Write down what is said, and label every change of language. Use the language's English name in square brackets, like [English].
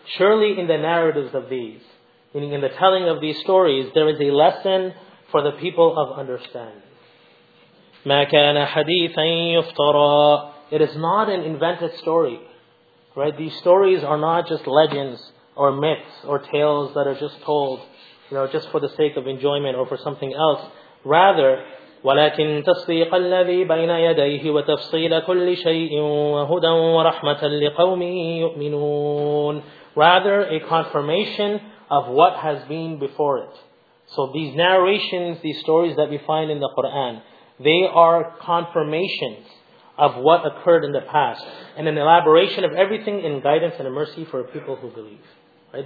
[English] Surely in the narratives of these, meaning in the telling of these stories, there is a lesson for the people of understanding. [Arabic] مَا كَانَ حَدِيثًا يُفْتَرَى. [English] It is not an invented story. Right? These stories are not just legends or myths or tales that are just told, you know, just for the sake of enjoyment or for something else. Rather, [Arabic] وَلَكِن تَصْدِيقَ الَّذِي بَيْنَ يَدَيْهِ وَتَفْصِيلَ كُلِّ شَيْءٍ وَهُدًى وَرَحْمَةً لِقَوْمٍ يُؤْمِنُونَ. [English] Rather, a confirmation of what has been before it. So these narrations, these stories that we find in the Qur'an, they are confirmations of what occurred in the past, and an elaboration of everything in guidance and mercy for people who believe. Right?